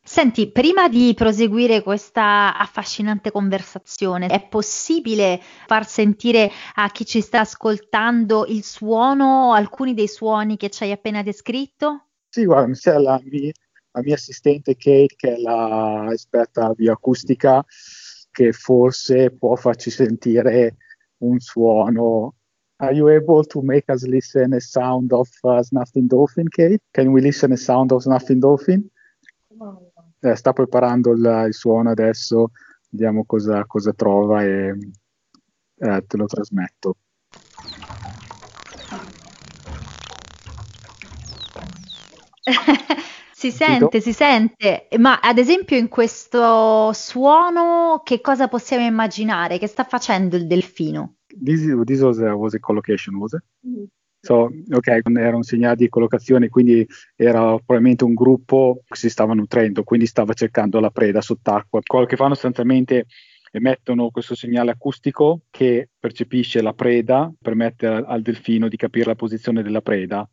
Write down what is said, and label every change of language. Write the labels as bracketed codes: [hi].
[it] Senti, prima di proseguire questa affascinante conversazione, è possibile far sentire a chi ci sta ascoltando il suono, alcuni dei suoni che ci hai appena descritto? Sì, guarda, c'è la mia assistente Kate, che è la esperta bioacustica, che forse può farci sentire un suono. [en] Are you able to make us listen a sound of snuffing dolphin, Kate? Can we listen a sound of snuffing dolphin? [it] Sta preparando il suono adesso. Vediamo cosa trova e te lo trasmetto. Si sente, ma ad esempio in questo suono che cosa possiamo immaginare? Che sta facendo il delfino? [en] This was a collocation, was it? [it] So, ok, era un segnale di collocazione, quindi era probabilmente un gruppo che si stava nutrendo, quindi stava cercando la preda sott'acqua. Quello che fanno sostanzialmente emettono questo segnale acustico che percepisce la preda, permette al delfino di capire la posizione della preda.